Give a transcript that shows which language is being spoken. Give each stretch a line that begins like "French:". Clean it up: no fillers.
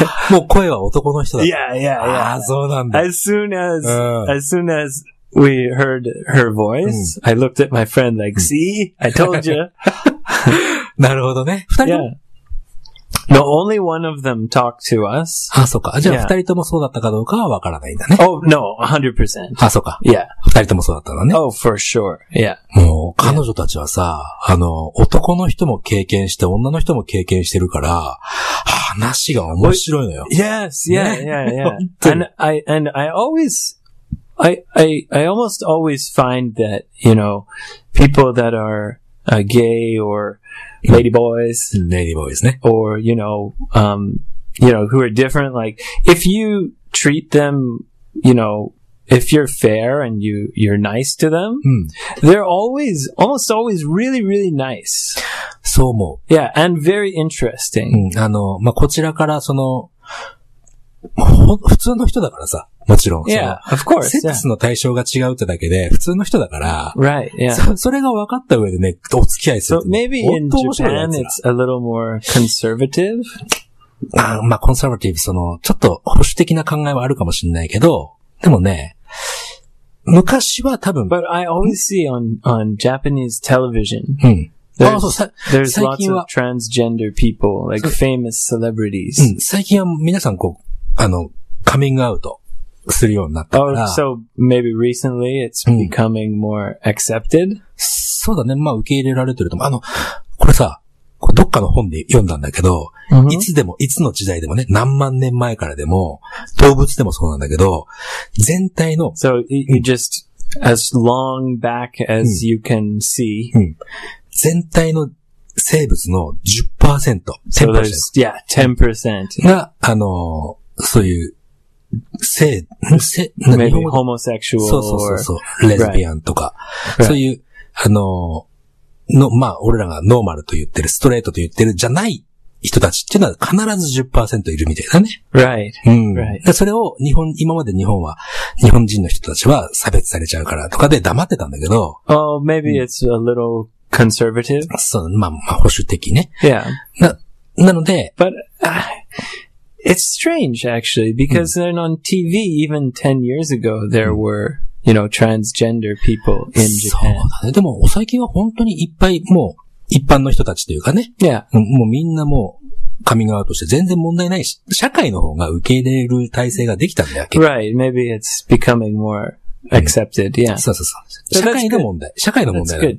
Japanese: もう声は男の人だ。
English: Yeah, yeah, yeah.
Japanese: ああ、そうなんだ。
English: As soon as we heard her voice,、うん、I looked at my friend like, see, I told you.
Japanese: なるほどね。二人も。
English: Yeah. The only one of them talked to us.
Japanese: あ、そうか。じゃあ、二人ともそうだったかどうかはわからないんだね。
English: Oh, no, 100%.
Japanese: あ、そうか。
English: Yeah.
Japanese: 二人ともそうだったのね。
English: Oh, for sure. Yeah.
Japanese: もう、彼女たちはさ、あの、男の人も経験して、女の人も経験してるから、話が面白いのよ。
English: Yes, yeah, yeah, yeah. And I almost always find that, you know, people that are, gay or,Ladyboys,
Japanese: ね。
English: Or, you know, who are different, like, if you treat them, you know, if you're fair and you're nice to them,、
Japanese: うん、
English: they're always, almost always really, really nice.
Japanese: そう思う。
English: Yeah, and very interesting.、
Japanese: うん、あの、まあ、こちらからその、普通の人だからさ、もちろん。
English: Yeah, of course.
Japanese: セックスの対象が違うってだけで、普通の人だから。
English: Right, yeah.
Japanese: それが分かった上でね、お付き合いする。
English: So maybe in Japan it's a little more conservative.
Japanese: あ、まあ、conservative、その、ちょっと保守的な考えはあるかもしれないけど、でもね、昔は多分。
English: But I always see on Japanese television.
Japanese: うん。
English: There's lots of transgender people, like famous celebrities.
Japanese: うん、最近は皆さんこう、あの、カミングアウトするようになったから。
English: Oh, so maybe recently it's becoming more accepted?、
Japanese: うん、そうだね。まあ受け入れられてると思う。あの、これさ、どっかの本で読んだんだけど、 mm-hmm. いつでも、いつの時代でもね、何万年前からでも、動物でもそうなんだけど、全体の。
English: So you just,、うん、as long back as you can see.、
Japanese: うん、全体の生物の 10%。
English: So there's, yeah, 10%.
Japanese: が、あの、そういう、性、
English: maybe homosexual or
Japanese: そうそうそう、レズビアンとか、right. そういう、あの、の、まあ、俺らがノーマルと言ってる、ストレートと言ってるじゃない人たちっていうのは必ず 10% いるみたいだね。
English: Right.
Japanese: うん。 Right. でそれを日本、今まで日本は、日本人の人たちは差別されちゃうからとかで黙ってたんだけど、
English: oh, maybe it's a little conservative.
Japanese: そう、まあ、まあ、保守的ね。
English: Yeah.
Japanese: なので、
English: But, It's strange, actually, because、うん、then on TV, even 10 years ago, there were, you know, transgender people in Japan.
Japanese: そうだね。でも、最近は本当にいっぱい、もう、一般の人たちというかね。
English: Yeah.
Japanese: もうみんなもう、カミングアウトして全然問題ないし、社会の方が受け入れる体制ができたんだよ。
English: Right. Maybe it's becoming more accepted.、うん、yeah.
Japanese: そうそうそう。社会の問題。